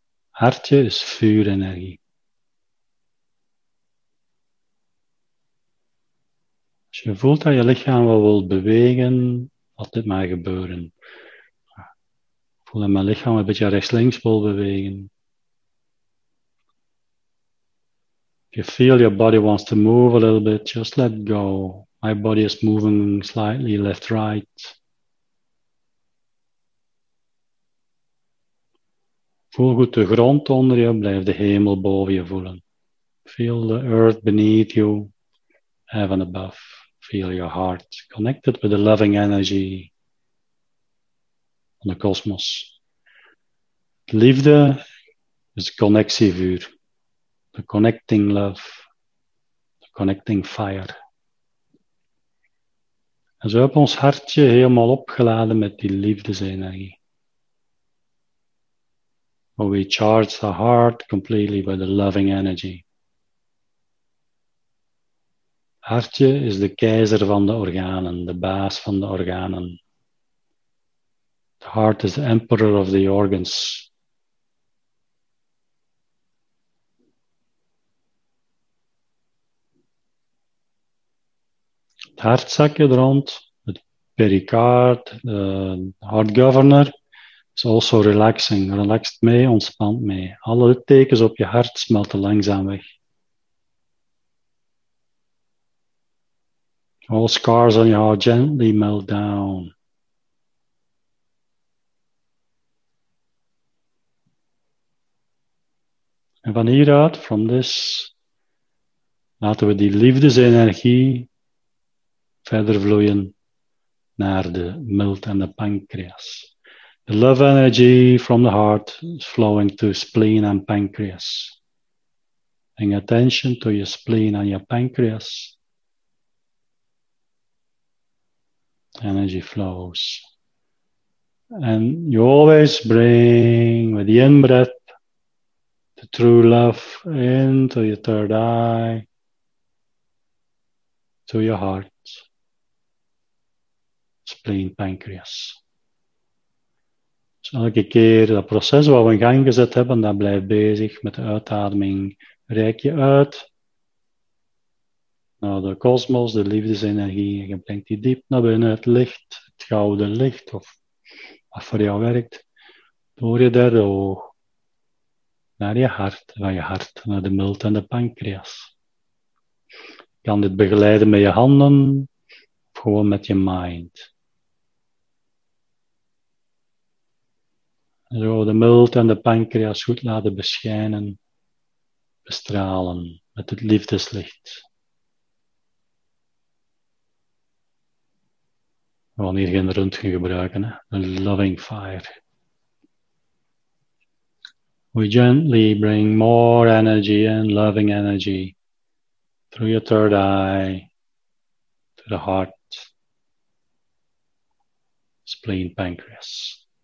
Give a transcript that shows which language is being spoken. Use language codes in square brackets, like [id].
[nl] Hartje is vuurenergie. Als je voelt dat je lichaam wel wilt bewegen, laat dit maar gebeuren. Voel dat mijn lichaam een beetje rechts-links wil bewegen. [en] If you feel your body wants to move a little bit, just let go. My body is moving slightly left-right. [nl] Voel goed de grond onder je. Blijf de hemel boven je voelen. [en] Feel the earth beneath you. Heaven above. Feel your heart connected with the loving energy. [nl] Van de kosmos. Liefde is connectievuur. [en] The connecting love. The connecting fire. [nl] En zo hebben we ons hartje helemaal opgeladen met die liefdesenergie. [en] where we charge the heart completely with the loving energy. [nl] Hartje is the keizer van de organen, the baas van de organen. [en] The heart is the emperor of the organs. [nl] Het hartzakje er rond, het pericard, de heart governor, [en] is also relaxing. [nl] Relaxed mee, ontspant mee. Alle tekens op je hart smelten langzaam weg. [en] All scars on your heart gently melt down. [nl] En van hieruit, [en] from this, [nl] laten we die liefdesenergie verder vloeien naar de milt en de pancreas. [en] The love energy from the heart is flowing to spleen and pancreas. Paying attention to your spleen and your pancreas. Energy flows. And you always bring with the in-breath the true love into your third eye, to your heart, spleen, pancreas. [nl] Dus elke keer dat proces wat we in gang gezet hebben, dat blijft bezig met de uitademing. Reik je uit naar de kosmos, de liefdesenergie. Je brengt die diep naar binnen, het licht, het gouden licht, of wat voor jou werkt, door je derde oog. Naar je hart, van je hart, naar de milt en de pancreas. Je kan dit begeleiden met je handen, of gewoon met je mind. En zo de milt en de pancreas goed laten beschijnen, bestralen met het liefdeslicht. We gaan hier geen röntgen gebruiken, hè? [en] A loving fire. We gently bring more energy and loving energy through your third eye to the heart, spleen, pancreas.